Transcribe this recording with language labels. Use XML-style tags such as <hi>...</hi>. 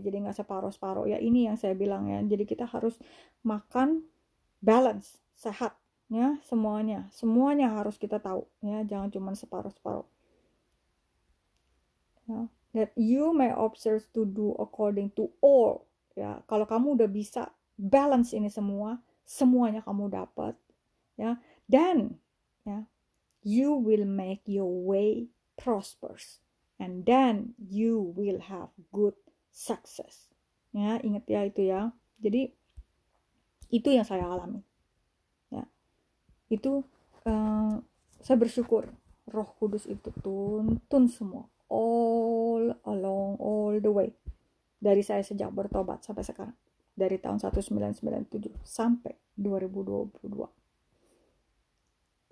<id>Jadi nggak separoh-separoh. Ya, ini yang saya bilang ya. Jadi kita harus makan balance, sehat. Ya, semuanya, semuanya harus kita tahu ya, jangan cuma separuh-separuh.</id> <en>Ya, that you may observe to do according to all.</en> <id>Ya, kalau kamu udah bisa balance ini semua, semuanya kamu dapat, ya.</id> <en>Then, ya, you will make your way prosperous and then you will have good success.</en> <id>Ya, ingat ya itu ya. Jadi itu yang saya alami. Itu saya bersyukur Roh Kudus itu tuntun semua</id> <en>all along all the way</en> <id>dari saya sejak bertobat sampai sekarang dari tahun 1997 sampai 2022.</id>